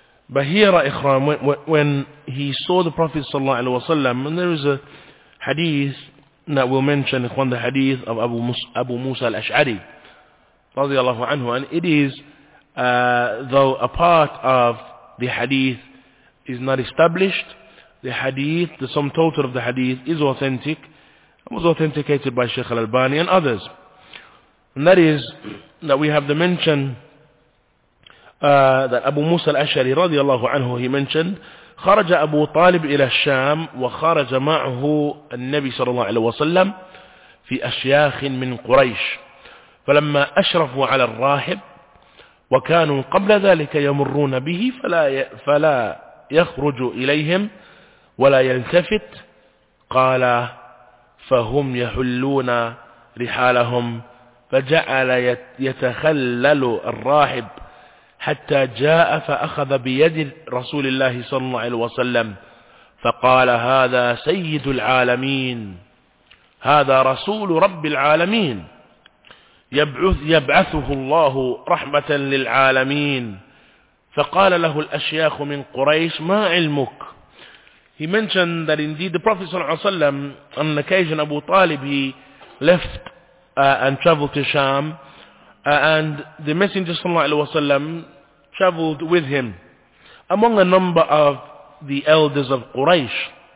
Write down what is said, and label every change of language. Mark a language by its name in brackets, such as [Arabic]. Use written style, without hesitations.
[English] Bahira Ikhram, when he saw the Prophet sallallahu alaihi wasallam, and there is a hadith that we'll mention, it's one of the hadith of Abu Musa al-Ash'ari radiyallahu anhu, and it is, though a part of the hadith is not established, the hadith, the sum total of the hadith is authentic. It was authenticated by Sheikh al-Albani and others. And that is that we have the mention that Abu Musa al-Ash'ari radiyallahu anhu, he mentioned, [Arabic] خرج أبو طالب إلى الشام وخرج معه النبي صلى الله عليه وسلم في أشياخ من قريش فلما أشرفوا على الراهب وكانوا قبل ذلك يمرون به فلا يخرج إليهم ولا يلتفت قال فهم يحلون رحالهم فجعل يتخلل الراهب حتى جاء فأخذ بيد رسول الله صلى الله عليه وسلم فقال هذا سيد العالمين هذا رسول رب العالمين يبعثه الله رحمة للعالمين فقال له الأشياخ من قريش ما علمك. [English] He mentioned that indeed the Prophet صلى الله عليه وسلم, on an occasion Abu Talib, he left and traveled to Sham, and the Messenger صلى الله عليه وسلم traveled with him among a number of the elders of Quraysh.